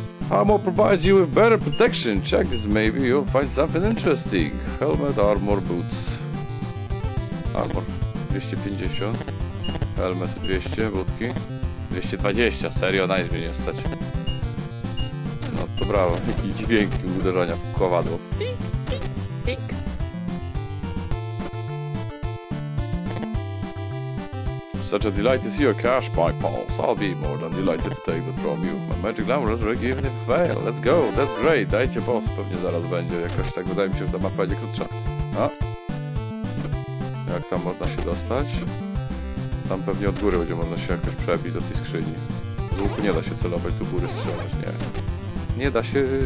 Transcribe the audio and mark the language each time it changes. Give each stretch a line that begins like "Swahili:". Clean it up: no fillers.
English: Armor provides you with better protection. Check this, maybe you'll find something interesting. Helmet, armor, boots. Armor 250.
Polish: Helmet 200, butki 220, serio, nice mnie nie stać. No to brawo, jakie dźwięki uderzenia w kowadło.
English: Such a delight to see your cash, my pals. I'll be more than delighted to take that from you. My magic glamour has given it a fail. Let's go, that's great.
Polish: Dajcie boss, pewnie zaraz będzie. Jakoś tak wydaje mi się, że ta mapa będzie krótsza. A? Jak tam można się dostać? Tam pewnie od góry będzie można się jakoś przebić do tej skrzyni. Z łuku nie da się celować, tu góry strzelać, nie. Nie da się...